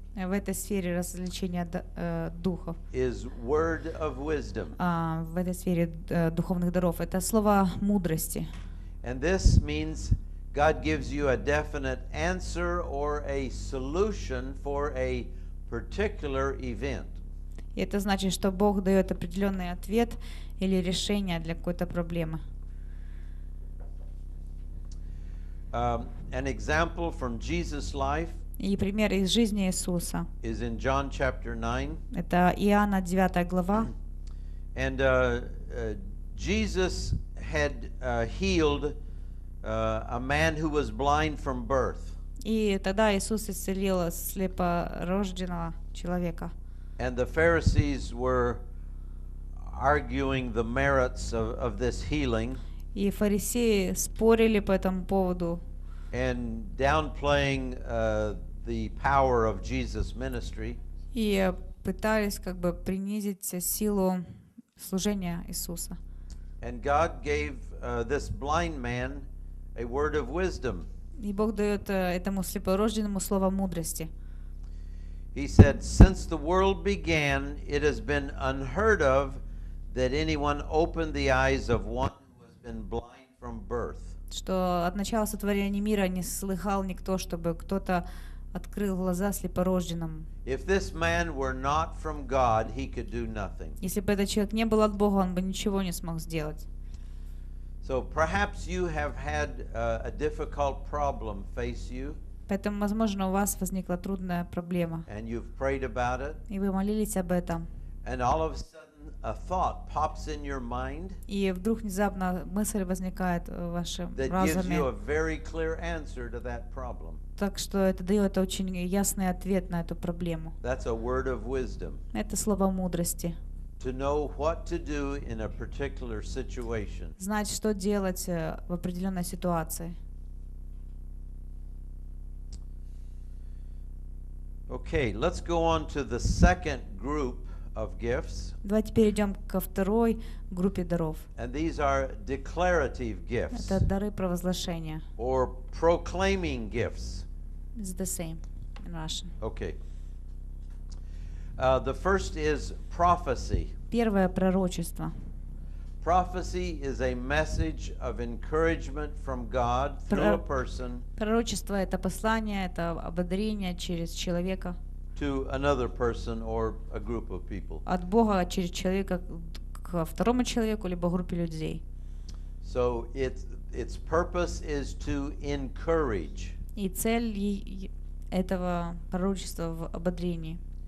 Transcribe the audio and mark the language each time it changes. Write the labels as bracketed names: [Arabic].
[Russian] В этой сфере различения духов. [English] Is word of wisdom. [Russian] В этой сфере духовных даров. Это слово мудрости. [English] And this means God gives you a definite answer or a solution for a particular event. [Russian] И это значит, что Бог дает определенный ответ или решение для какой-то проблемы. [English] An example from Jesus' life. [Russian] И пример из жизни Иисуса. [English] Is in John chapter 9. [Russian] Это Иоанна 9 глава. [English] And Jesus had healed a man who was blind from birth. [Russian] И тогда Иисус исцелил слепорожденного человека. [English] And the Pharisees were arguing the merits of this healing. [Russian] И фарисеи спорили по этому поводу. [English] And downplaying the power of Jesus' ministry. [Russian] И пытались как бы принизить силу служения Иисуса. [English] And God gave this blind man a word of wisdom. [Russian] И Бог дает этому слепорожденному слово мудрости. [English] He said, "Since the world began, it has been unheard of that anyone opened the eyes of one who has been blind from birth." [Russian] Что от начала сотворения мира не слыхал никто, чтобы кто-то открыл глаза слепорожденным. [English] If this man were not from God, he could do nothing. [Russian] Если бы этот человек не был от Бога, он бы ничего не смог сделать. [English] So perhaps you have had a difficult problem face you. [Russian] Поэтому, возможно, у вас возникла трудная проблема. [English] And you've prayed about it. [Russian] И вы молились об этом. [English] And all of a sudden a thought pops in your mind. [Russian] И вдруг внезапно мысль возникает в вашем [English] that [Russian] разуме. [English] That gives you a very clear answer to that problem. [Russian] Так что это дает очень ясный ответ на эту проблему. [English] That's a word of wisdom. [Russian] Это слово мудрости. [English] To know what to do in a particular situation. [Russian] Знать, что делать в определенной ситуации. [English] Okay, let's go on to the second group of gifts. [Russian] Давайте перейдем ко второй группе даров. [English] And these are declarative gifts. [Russian] Это дары провозглашения. [English] Or proclaiming gifts. It's the same in Russian. Okay. The first is prophecy. [Russian] Первое пророчество. [English] Prophecy is a message of encouragement from God through a person. [Russian] Пророчество это послание, это ободрение через человека. [English] To another person or a group of people. [Russian] От Бога через человека к второму человеку либо группе людей. [English] So its purpose is to encourage. [Russian] И цель этого пророчества в ободрении.